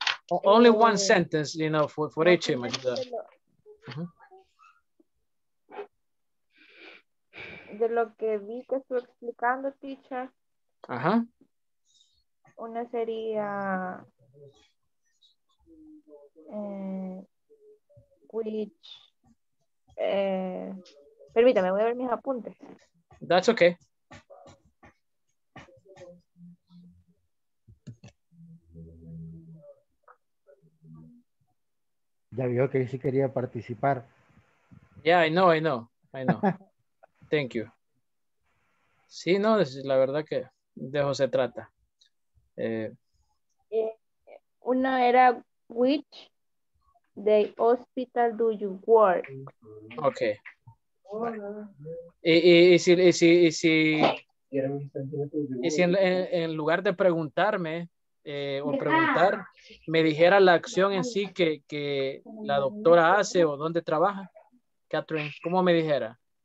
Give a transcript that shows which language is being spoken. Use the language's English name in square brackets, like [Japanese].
[English] Only one sentence, you know, for each image. [Spanish] De lo que vi que estuvo explicando, teacher. Ajá. Una sería which permítame, voy a ver mis apuntes. [English] That's okay. [Spanish] Ya vio que sí quería participar. [English] Yeah, I know. Thank you. [Spanish] Sí, no, es la verdad que de eso se trata. Una era [English] which the hospital do you work? Okay. [Spanish] Y si en lugar de preguntarme o preguntar, me dijera la acción en sí que la doctora hace o dónde trabaja, Catherine, ¿cómo me dijera?